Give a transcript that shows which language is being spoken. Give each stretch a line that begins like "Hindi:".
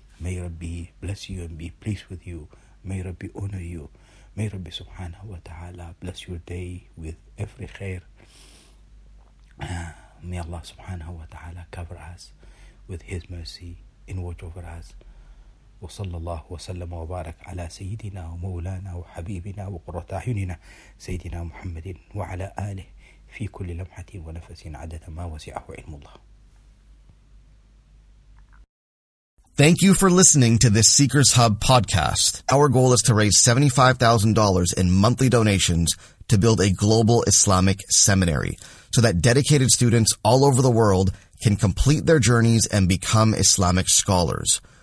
English: May Rabbi bless you and be pleased with you. May Rabbi honor you. May Rabbi subhanahu wa ta'ala bless your day with every khair. May Allah subhanahu wa ta'ala cover us with His mercy and watch over us.
Arabic: وصلى الله وسلم وبارك على سيدنا ومولانا وحبيبنا وقرة أعيننا سيدنا محمد وعلى آله في كل لمحة ونفس عدد ما وسعه علم الله.
English: Thank you for listening to this Seekers Hub podcast. Our goal is to raise $75,000 in monthly donations to build a global Islamic seminary so that dedicated students all over the world can complete their journeys and become Islamic scholars.